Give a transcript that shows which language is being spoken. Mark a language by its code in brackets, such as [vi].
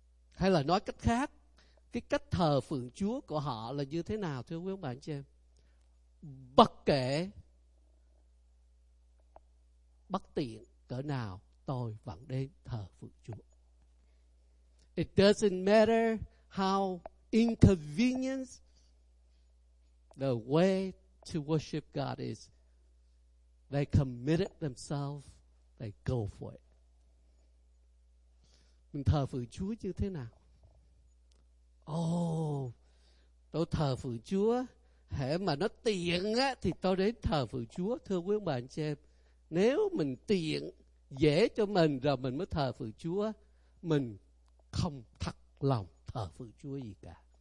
[vi] Hay là nói cách khác, cái cách thờ phượng Chúa của họ là như thế nào, thưa quý ông bà anh chị em? Bất kể bất tiện cỡ nào, tôi vẫn đến thờ phượng Chúa. [en] It doesn't matter how inconvenient the way to worship God is. They committed themselves, they go for it. [vi] Mình thờ phượng Chúa như thế nào? Tôi thờ phượng Chúa, hễ mà nó tiện á thì tôi đến thờ phượng Chúa. Thưa quý ông bà anh chị em, nếu mình tiện dễ cho mình rồi mình mới thờ phượng Chúa, mình không thật lòng thờ phượng Chúa gì cả.